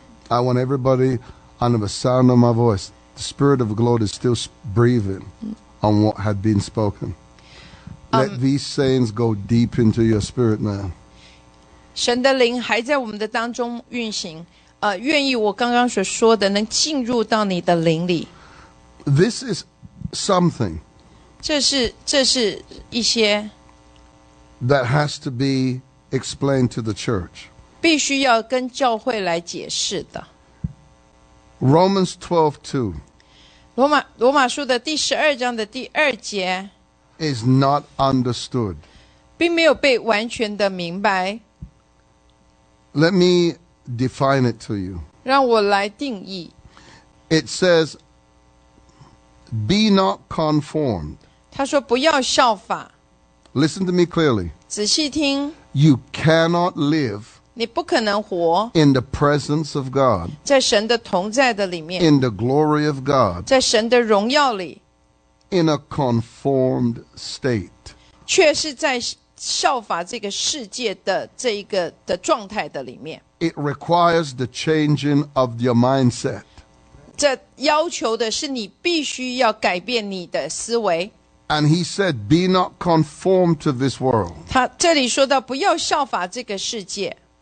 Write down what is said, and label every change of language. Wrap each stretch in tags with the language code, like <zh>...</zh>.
<en>I want everybody under the sound of my voice. The Spirit of the Lord is still breathing. On what had been spoken. Let these sayings go deep into your spirit now.</en> <zh>神的灵还在我们的当中运行，愿意我刚刚所说的能进入到你的灵里。</zh> <en>This is something.</en> <zh>这是一些</zh> <en>that has to be explained to the church.</en> <zh>必须要跟教会来解释的。</zh> <en>Romans 12:2.</en> <zh>罗马书的第十二章的第二节</zh> <en>is not understood,</en> <zh>并没有被完全的明白。</zh> <en>Let me define it to you.</en> <zh>让我来定义。</zh> <en>It says, "Be not conformed."</en> <zh>他说不要效法。</zh> <en>Listen to me clearly.</en> <zh>仔细听。</zh> <en>You cannot live.</en> <zh>你不可能活</zh> <en>in the presence of God,</en> <zh>在神的同在的里面</zh> <en>in the glory of God,</en> <zh>在神的荣耀里</zh> <en>in a conformed state,</en> <zh>却是在效法这个世界的这一个的状态的里面</zh> <en>it requires the changing of your mindset,</en> <zh>这要求的是你必须要改变你的思维</zh> <en>and he said, be not conformed to this world,</en> <zh>他这里说到不要效法这个世界</zh>